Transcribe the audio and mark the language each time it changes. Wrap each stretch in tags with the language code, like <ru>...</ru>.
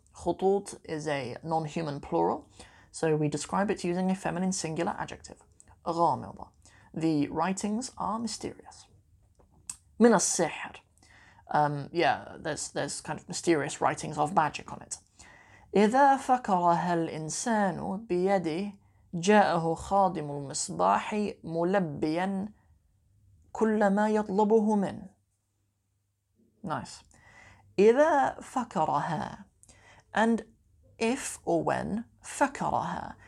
<en>Khutut is a non-human plural. So we describe it using a feminine singular adjective. Ghamida. The writings are mysterious. Min as-sihr. Yeah, there's kind of mysterious writings of magic on it.</en> <ar>إذا فكرها الإنسان بيده جاءه خادم المصباح ملبيا كل ما يطلبه منه. Nice. إذا فكرها.</ar> <en>And if or when فكرها.</en>